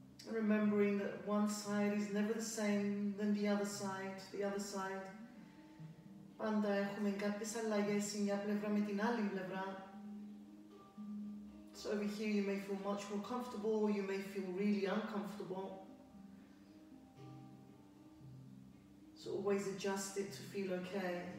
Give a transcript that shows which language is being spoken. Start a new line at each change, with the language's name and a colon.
English: Remembering that one side is never the same than the other side. The other side.
Greek: Πάντα έχουμε κάποιες αλλαγές σε μια πλευρά με την άλλη πλευρά.
English: So over here you may feel much more comfortable, or you may feel really uncomfortable. So always adjust it to feel okay.